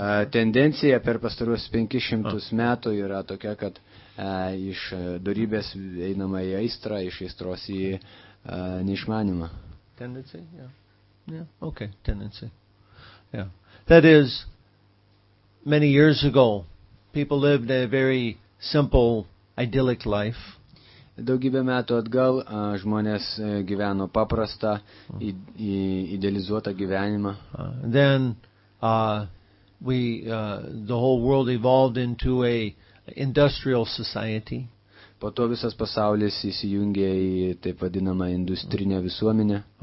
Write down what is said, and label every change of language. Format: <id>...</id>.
<lt>Tendencija per pastaruosius 500 metų yra tokia, kad iš dorybės einama į aistrą, iš aistros į neišmanimą.</lt> <en>Tendency, yeah. Okay, tendency. Yeah. That is, many years ago, people lived a very simple, idyllic life.</en> <lt>Daugybę metų atgal žmonės gyveno paprastą, idealizuotą gyvenimą.</lt> <en>The whole world evolved into a industrial society.</en> <lt>Po to visas pasaulis įsijungė į taip vadinamą industrinę visuomenę.</lt>